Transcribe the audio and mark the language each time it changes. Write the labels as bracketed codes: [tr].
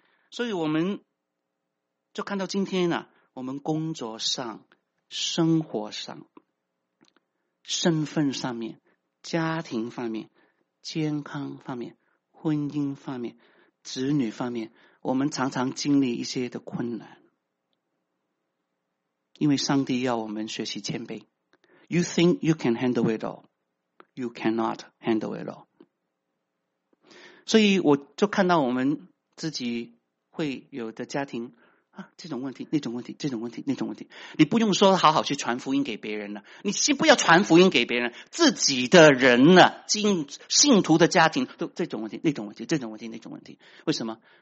[zh] 所以我们就看到今天呢，我们工作上、生活上、身份上面、家庭方面、健康方面、婚姻方面、子女方面，我们常常经历一些的困难，因为上帝要我们学习谦卑。 [en] You think you can handle it all, you cannot handle it all。 [zh] 所以我就看到我们自己会有的家庭啊，这种问题那种问题，这种问题那种问题，你不用说好好去传福音给别人了，你先不要传福音给别人，自己的人呢，信徒的家庭都这种问题那种问题，这种问题那种问题，为什么？